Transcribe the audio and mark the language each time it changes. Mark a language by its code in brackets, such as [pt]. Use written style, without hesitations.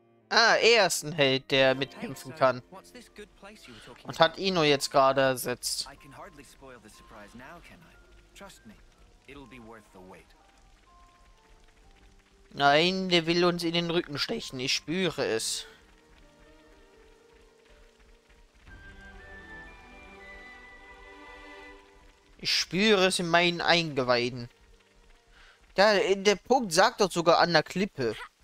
[de] Ah, er ist ein Held, der mitkämpfen kann. Und hat Ino jetzt gerade ersetzt. [en] I can hardly spoil the surprise now, can I? Trust me, it'll be worth the wait. [de] Nein, der will uns in den Rücken stechen, ich spüre es. Ich spüre es in meinen Eingeweiden. Ja, der Punkt sagt doch sogar an der Klippe.